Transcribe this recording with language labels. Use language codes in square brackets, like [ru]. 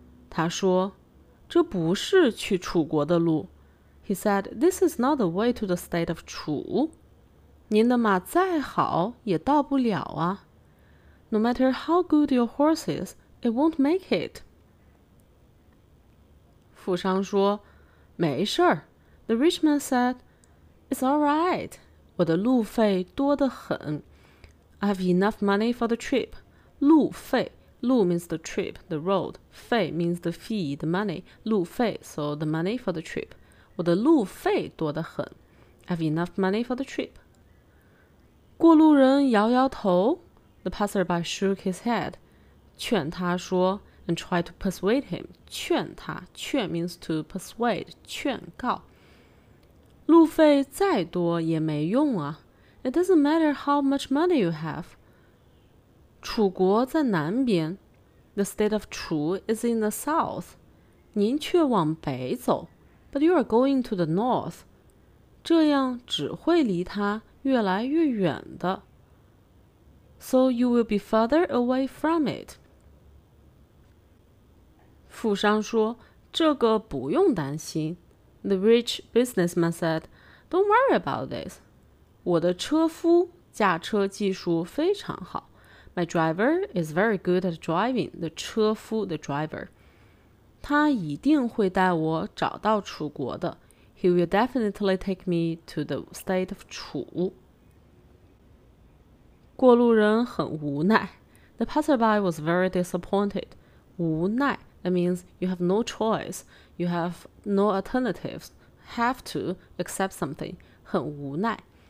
[zh] 他说，这不是去楚国的路。 [en] He said, this is not the way to the state of Chu. [zh] 您的马再好也到不了啊。 [en] No matter how good your horse is, it won't make it. [zh] 富商说，没事儿。 [en] The rich man said,It's all right. [zh] 我的路费多得很。 [en] I have enough money for the trip. 路费 路 means the trip, the road. 费 means the fee, the money. 路费 so the money for the trip. [zh] 我的路费多得很。 [en] I have enough money for the trip. [zh] 过路人摇摇头。 [en] The passerby shook his head. [zh] 劝他说 [en] and tried to persuade him. 劝他 劝 means to persuade, [zh] 劝告。路费再多也没用啊。 [en] It doesn't matter how much money you have. [zh] 楚国在南边。 [en] The state of Chu is in the south. [zh] 您却往北走。 [en] But you are going to the north. [zh] 这样只会离他越来越远的。 [en] So you will be further away from it. [zh] 富商说，这个不用担心。 [en] The rich businessman said, Don't worry about this. [zh] 我的车夫驾车技术非常好。 [en] My driver is very good at driving. The 车夫 the driver. [zh] 他一定会带我找到楚国的。 [en] He will definitely take me to the state of Chu. 过路人很 [zh] 无奈。 [en] The passerby was very disappointed. 无奈。 That means you have no choice, you have no alternatives, have to accept something, [zh] 很无奈。